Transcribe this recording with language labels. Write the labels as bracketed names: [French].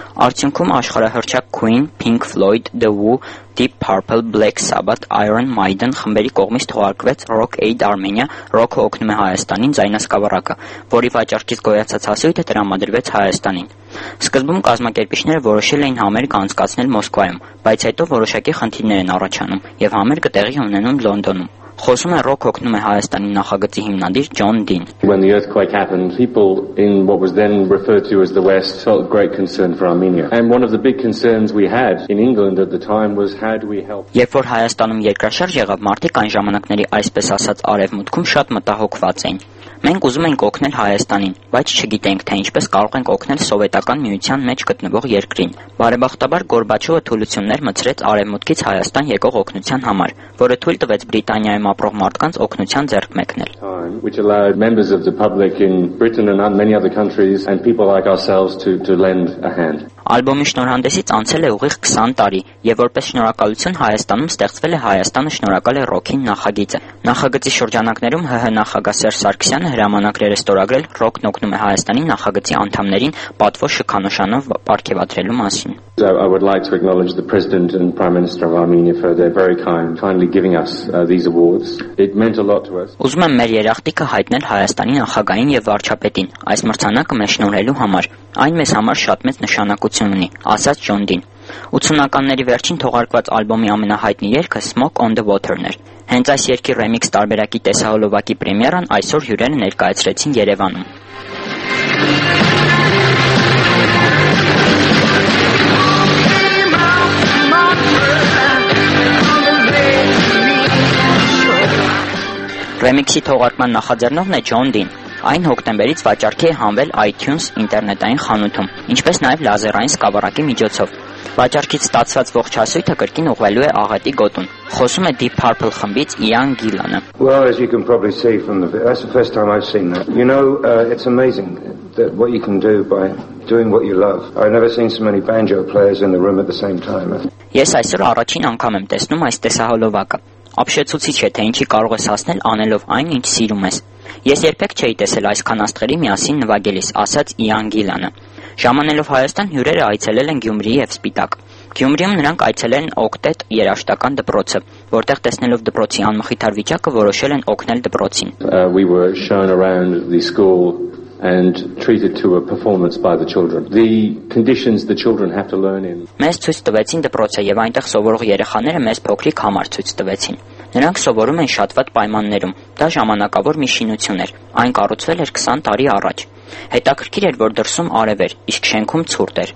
[Armenian] Արդյունքում աշխարհահռչակ Queen, Pink Floyd, The Who, Deep Purple, Black Sabbath, Iron Maiden խմբերի կողմից թողարկվեց Rock Aid Armenia, ռոքը օգնում է Հայաստանին ձայնասկավառակը, որի վաճառքից գոյացած հասույթը տրամադրվեց Հայաստանին։ Սկզբում կազմակերպիչները որոշել էին համերգ անցկացնել Մոսկվայում, բայց հետո որոշակի խնդիրներ են առաջանում եւ համերգը տեղի ունենում Լոնդոնում։ Խոսում է ռոք օգնում է Հայաստանի նախագծի հիմնադիր Ջոն Դին։ [English] When the earthquake happened, people in what was then referred to as the West felt great concern for Armenia. And one of the big concerns we had in England at the time was how do we help. [Armenian] Երբ որ Հայաստանում երկրաշարժ եղավ, մարդիկ այն ժամանակների այսպես ասած արևմուտքում շատ մտահոգված էին։ Մենք ուզում ենք օգնել Հայաստանին, բայց չգիտենք, թե ինչպես կարող ենք օգնել սովետական միության մեջ գտնվող երկրին։ Բարեբախտաբար Գորբաչովը թուլություններ մտցրեց արևմուտքից Հայաստան եկող օգնության համար, որը թույլ տվեց Բրիտանիայում ապրող մարդկանց օգնության ձեռք մեկնել։ [English] Which allowed members of the public in Britain and many other countries and people like ourselves to lend a hand. [Armenian] Ալբոմի շնորհանդեսից անցել է ուղիղ 20 տարի, եւ որպես շնորհակալություն Հայաստանում ստեղծվել է Հայաստանը շնորհակալ է ռոքին նախագիծը։ Նախագծի շրջանակներում ՀՀ նախագահ Սերժ Սարգսյանը հրամանագրեր է ստորագրել ռոքն օգնում է Հայաստանի նախագծի անդամներին պատվո շքանշանով պարգևատրելու մասին։ [English] I would like to acknowledge the President and Prime Minister of Armenia for their very kindly giving us these awards. It meant a lot to us. [Armenian] Ուզում եմ մեր երախտիկը հայտնել Հայաստանի նախագահին եւ վարչապետին այս մրցանակը մեր շնորհելու համար։ Այն մեզ համար շատ մեծ նշանակություն ունի, ասաց Ջոն Դին։ 80-ականների վերջին թողարկված ալբոմի ամենահայտնի երգը Smoke on the Water-ն էր։ Հենց այս երգի ռեմիքս տարբերակի տեսահոլովակի պրեմիերան այսօր հյուրերը ներկայացրեցին Երևանում։ Ռեմիքսի թողարկման նախաձեռնողն է Ջոն Դին։ Այն հոկտեմբերից վաճարկի է հանվել iTunes ինտերնետային խանութում, ինչպես նաև լազերային սկավառակի միջոցով։ Վաճարկից ստացված ողջասույթը կրկին ուղղվելու է աղետի գոտուն։ Խոսում է Deep Purple խմբից Ian Gillan-ը։ [English] Well, as you can probably see from the video, that's the first time I've seen that. You know, it's amazing that what you can do by doing what you love. I've never seen so many banjo players in the room at the same time. [Armenian] Ես այսօր առաջին անգամ եմ տեսնում այս տեսահոլովակը։ Ապշեցուցիչ է, թե ինչի կարող ես հասնել անելով այն, ինչ սիրում ես։ Ես երբեք չէի տեսել այսքան աստղերի միասին նվագելիս, ասաց Ian Gillan-ը։ Ժամանելով Հայաստան, հյուրերը այցելել են Գյումրի եւ Սպիտակ։ Գյումրիում նրանք այցելել են Օկտետ երաժշտական դպրոցը, որտեղ տեսնելով դպրոցի անմխիթար վիճակը որոշել են օգնել դպրոցին։ [English] We were shown around the school and treated to a performance by the children. The conditions the children have to learn in. [Armenian] Մեզ ցույց տվեցին դպրոցը եւ այնտեղ սովորող երեխաները մեզ փոքրիկ համար ցույց տվեցին։ Նրանք սովորում են շատ վատ պայմաններում։ Դա ժամանակավոր մի շինություն էր, այն կառուցվել էր 20 տարի առաջ։ Հետաքրքիր էր, որ դրսում արև էր, իսկ շենքում ցուրտ էր։